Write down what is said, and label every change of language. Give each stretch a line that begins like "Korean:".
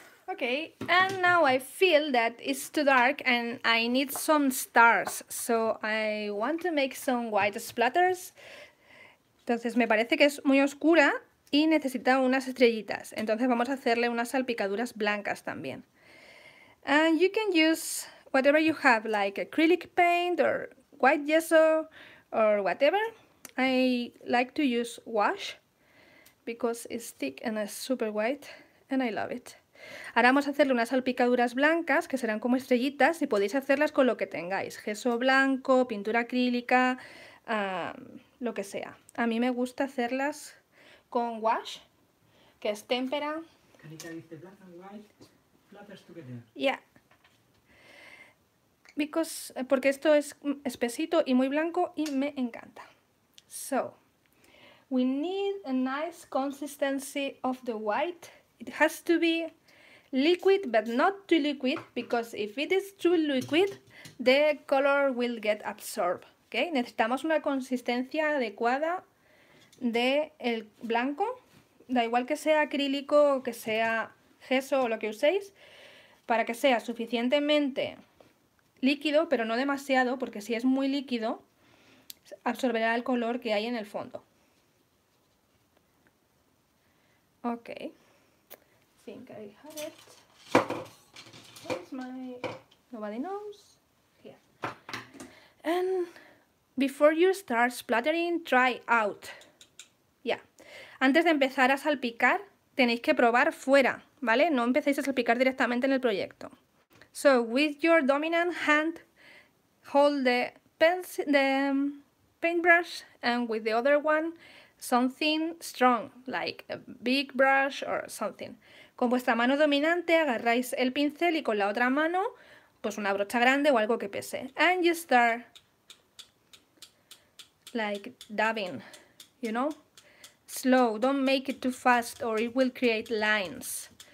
English: Okay, and now I feel that it's too dark and I need some stars, so I want to make some white splatters.
Spanish: Entonces me parece que es muy oscura y necesita unas estrellitas, entonces vamos a hacerle unas salpicaduras blancas también.
English: And you can use whatever you have, like acrylic paint or white gesso or whatever. I like to use wash because it's thick and it's super white and I love it.
Spanish: Ahora vamos a hacerle unas salpicaduras blancas que serán como estrellitas y podéis hacerlas con lo que tengáis, gesso blanco, pintura acrílica, lo que sea. A mí me gusta hacerlas con wash, que es témpera. Carita dice
English: black and white, splatters together. Yeah.
Spanish: Porque esto es espesito y muy blanco y me encanta.
English: So, We need a nice consistency of the white. It has to be liquid, but not too liquid, because if it is too liquid, the color will get absorbed.
Spanish: Okay? Necesitamos una consistencia adecuada de el blanco. Da igual que sea acrílico o que sea gesso o lo que uséis, para que sea suficientemente líquido, pero no demasiado, porque si es muy líquido, absorberá el color que hay en el fondo.
English: Ok. I think I have it. Where's my... Nobody knows. Here. And before you start splattering, try out. Yeah.
Spanish: Antes de empezar a salpicar, tenéis que probar fuera, ¿vale? No empecéis a salpicar directamente en el proyecto.
English: So, with your dominant hand, hold the pencil, the paintbrush, and with the other one, something strong, like a big brush or something.
Spanish: Con vuestra mano dominante agarráis el pincel y con la otra mano, pues una brocha grande o algo que pese.
English: And you start, like, dabbing, you know? Slow, don't make it too fast or it will create lines.